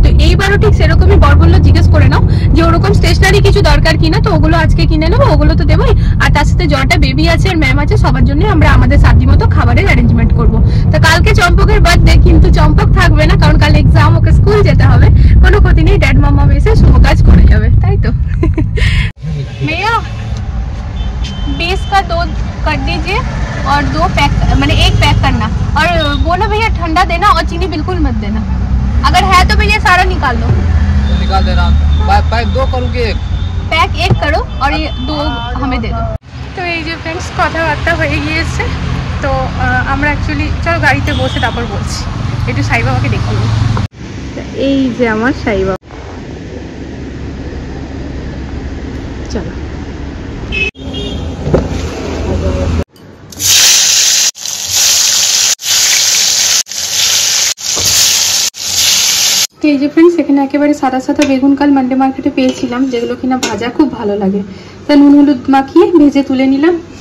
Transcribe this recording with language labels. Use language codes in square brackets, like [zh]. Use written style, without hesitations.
[bn] তো এইবারও ঠিক সেরকমই বর বললো জিজ্ঞেস করে নাও যে ওরকম স্টেশনারি কিছু দরকার কিনা, তো ওগুলো আজকে কিনে নেবো, ওগুলো তো দেবোই, আর তার সাথে জয়টা বেবি আছে আর ম্যাম আছে সবার জন্য আমরা আমাদের সাধ্য মতো খাবারের অ্যারেঞ্জমেন্ট করবো। তো কালকে চম্পকের বার্থডে, কিন্তু চম্পক থাকবে না কারণ কাল এক্সাম, ওকে স্কুল যেতে হবে, কোনো ক্ষতি নেই, ড্যাড মামা এসে শুভ কাজ করে যাবে, তাই তো। [hi] মেয়া बेस का दो कर दीजिए और दो पैक, मैंने एक पैक करना, और बोला भैया ठंडा देना और चीनी बिल्कुल मत देना, अगर है तो भैया सारा निकाल दो, निकाल दे रहा हूं। पैक दो करूं कि एक पैक एक करो और ये दो हमें दे दो। तो ये जो फ्रेंड्स [bn] কথা বার্তা হয়ে গিয়েছে, তো আমরা एक्चुअली চলো গাড়িতে বসে তারপর বলছি, একটু সাই বাবাকে দেখি। এই যে আমার সাই বাবা, এই যে ফ্রেন্ডস এখানে একেবারে সাদা সাদা বেগুন কাল মান্ডে মার্কেটে পেয়েছিলাম, যেগুলো কিনা ভাজা খুব ভালো লাগে, তা নুন হলুদ মাখিয়ে ভেজে তুলে নিলাম।